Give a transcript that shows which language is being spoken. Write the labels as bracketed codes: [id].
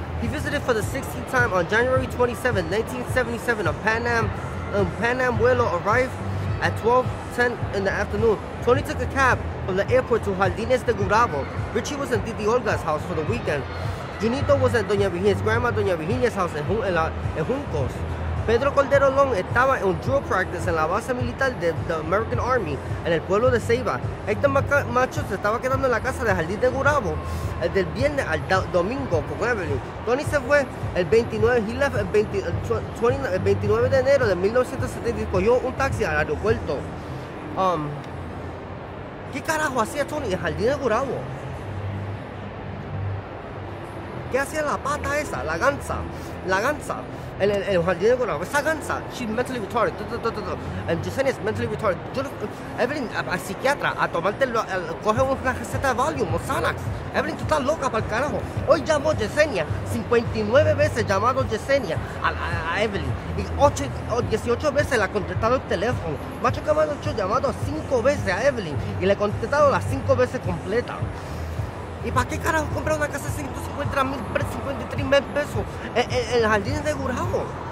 [en] He visited for the 16th time on January 27, 1977. A Pan Am vuelo arrived at 12:10 in the afternoon. Tony took a cab from the airport to Jardines de Gurabo. Richie was in Titi Olga's house for the weekend. Junito was at Doña Virginia's grandma, Doña Virginia's house in Juncos. [es] Pedro Cordero Long estaba en [en] drill practice [es] en la base militar de [en] the American Army [es] en el pueblo de Ceiba. Héctor Macho se estaba quedando en la casa de Jardín de Gurabo del viernes al domingo con Evelyn. Tony se fue el 29, [en] he left [es] el 29 de enero de 1970 y cogió un taxi al aeropuerto. ¿Qué carajo hacía Tony en Jardín de Gurabo? ¿Qué hacía la pata esa? La ganza. La ganza. El Jardín de Gurabo. Esa ganza. [en] She's mentally retarded. Yesenia's mentally retarded. [es] Evelyn, a psiquiatra, a tomarte, coge una receta de Valium o Xanax. Evelyn, tú estás loca para el carajo. Hoy llamó Yesenia. 59 veces llamado Yesenia a Evelyn. Y 18 veces le ha contestado el teléfono. Macho Camacho ha llamado 5 veces a Evelyn. Y le ha contestado las 5 veces completas. ¿Y para qué carajo comprar una casa de 153 mil pesos en el Jardín de Gurabo?